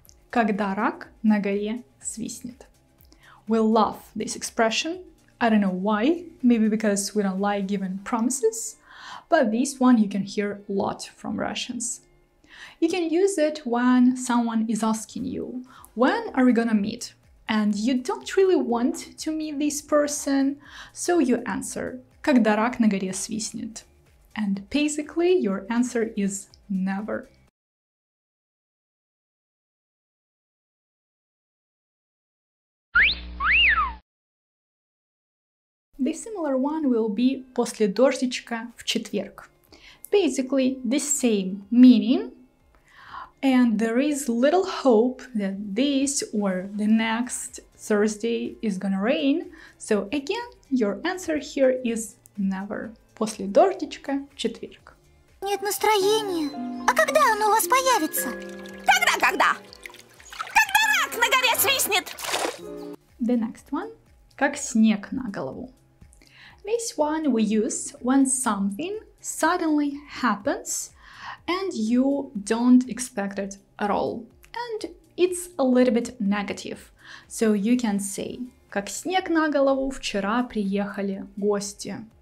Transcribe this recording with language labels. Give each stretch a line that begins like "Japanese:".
Russian: Когда рак на горе свистнет.
English: We love this expression. I don't know why, maybe because we don't like giving promises, but this one you can hear a lot from Russians. You can use it when someone is asking you, when are we gonna meet? And you don't really want to meet this person, so you answer,
Russian: когда рак на горе свистнет.
English: And basically, your answer is never. The similar one will be
Russian: после дождичка в четверг.
English: Basically, the same meaning. And there is little hope that this or the next Thursday is gonna rain. So again, your answer here is never.
Russian: После дождичка в четверг. Нет настроения. А когда оно у вас появится? Когда-когда? Когда рак на горе свистнет?
English: The next one.
Russian: Как снег на голову.
English: This one we use when something suddenly happens and you don't expect it at all. And it's a little bit negative. So you can say,
Russian: как снег на голову вчера приехали гости.